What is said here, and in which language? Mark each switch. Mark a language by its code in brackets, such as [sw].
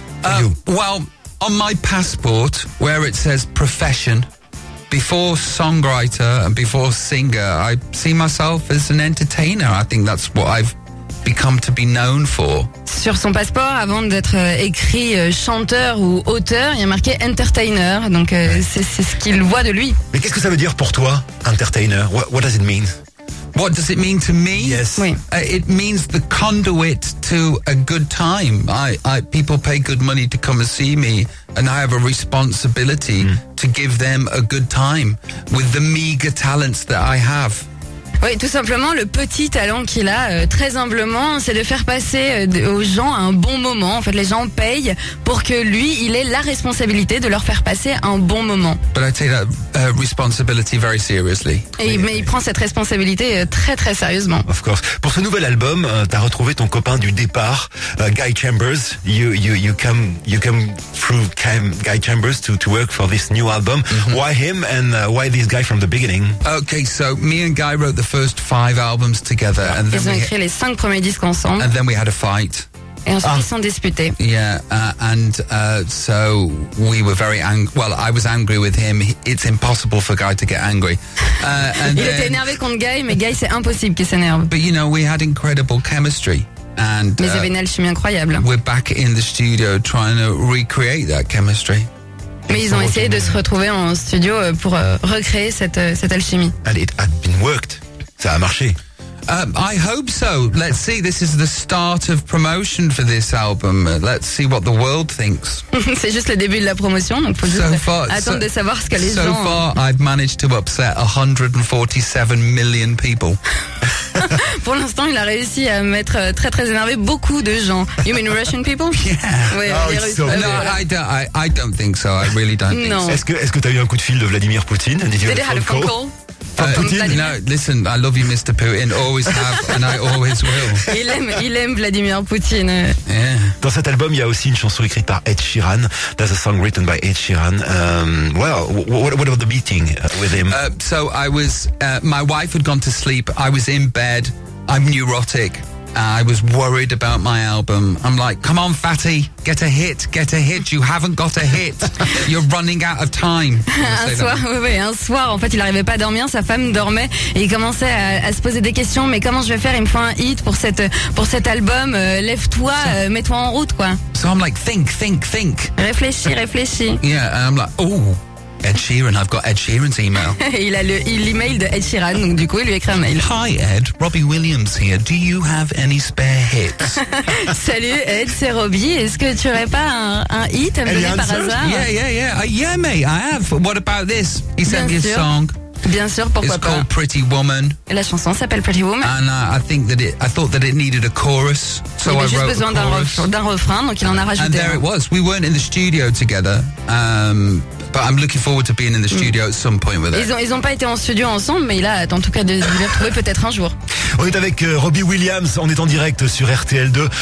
[en] On my passport, where it says profession, before songwriter and before singer, I see myself as an entertainer. I think that's what I've become to be known for. [fr] Sur son passeport, avant d'être écrit chanteur ou auteur, il y a marqué entertainer. Donc c'est ce qu'il voit de lui. Mais qu'est-ce que ça veut dire pour toi, entertainer? [en] What does it mean? What does it mean to me? Yes. [fr] Oui. [en] It means the conduit to a good time. I people pay good money to come and see me, and I have a responsibility to give them a good time with the meager talents that I have. [fr] Oui, tout simplement, le petit talent qu'il a, très humblement, c'est de faire passer aux gens un bon moment. En fait, les gens payent pour que lui, il ait la responsabilité de leur faire passer un bon moment. [en] But I take that responsibility very seriously. [fr] Mais il prend cette responsabilité très, très sérieusement. [en] Of course. [fr] Pour ce nouvel album, t'as retrouvé ton copain du départ, Guy Chambers. [en] You came through Guy Chambers to work for this new album. Mm-hmm. Why him and why this guy from the beginning? Okay, so me and Guy wrote the first five albums together. And then [fr] ils ont écrit les cinq premiers disques ensemble. [en] And then we had a fight. [fr] Et ensuite, ils sont disputés. [en] Yeah, so we were very angry. Well, I was angry with him. It's impossible for Guy to get angry. [fr] Il était énervé contre Guy, mais Guy, c'est impossible qu'il s'énerve. [en] But you know, we had incredible chemistry. And, [fr] mais il y avait une alchimie incroyable. [en] We're back in the studio trying to recreate that chemistry. [fr] Mais ils ont essayé de se retrouver en studio pour recréer cette alchimie. [en] And it had been worked. [fr] Ça a marché. [en] I hope so. Let's see. This is the start of promotion for this album. Let's see what the world thinks. [fr] C'est juste le début de la promotion, donc faut juste attendre de savoir ce que les gens. [en] So far, I've managed to upset 147 million people. [fr] Pour l'instant, il a réussi à mettre très très énervé beaucoup de gens. [en] You mean Russian people? Yeah. [fr] Oui, [en] oh, so cool. No, I don't think so. I really don't. [fr] Non. [en] Think so. [fr] Est-ce que t'as eu un coup de fil de Vladimir Poutine? [en] Did you have a phone call? No, listen, I love you, Mr. Putin. Always have, and I always will. [fr] Il aime Vladimir Poutine. [en] Yeah. [fr] Dans cet album, il y a aussi une chanson écrite par Ed Sheeran. [en] That's a song written by Ed Sheeran. What about the meeting with him? So I was, my wife had gone to sleep. I was in bed. I'm neurotic. I was worried about my album. I'm like, come on, Fatty, get a hit. You haven't got a hit. You're running out of time. [fr] un soir, en fait, il n'arrivait pas à dormir. Sa femme dormait et il commençait à se poser des questions. Mais comment je vais faire? Il me faut un hit pour cet album. Lève-toi, mets-toi en route, quoi. [en] So I'm like, think. [fr] Réfléchis. [en] Yeah, and I'm like, oh. Ed Sheeran, I've got Ed Sheeran's email. [fr] Il a l'email de Ed Sheeran, donc du coup, il lui écrit un mail. [en] Hi Ed, Robbie Williams here. Do you have any spare hits? [fr] Salut Ed, c'est Robbie. Est-ce que tu aurais pas un hit à me donner par hasard? [en] Yeah, mate, I have. What about this? He sent me a song. [fr] Bien sûr, pourquoi [en] It's [fr] pas. [en] It's called Pretty Woman. [fr] Et la chanson s'appelle Pretty Woman. [en] And I thought that it needed a chorus, so [fr] il avait juste [en] I wrote [fr] besoin [en] a chorus. [fr] D'un refrain, donc il en a rajouté. [en] And there [fr] un. [en] It was. We weren't in the studio together, but I'm looking forward to being in the studio at some point with it. [fr] Ils ont pas été en studio ensemble, mais il a en tout cas de les retrouver peut-être un jour. On est avec Robbie Williams, on est en direct sur RTL2.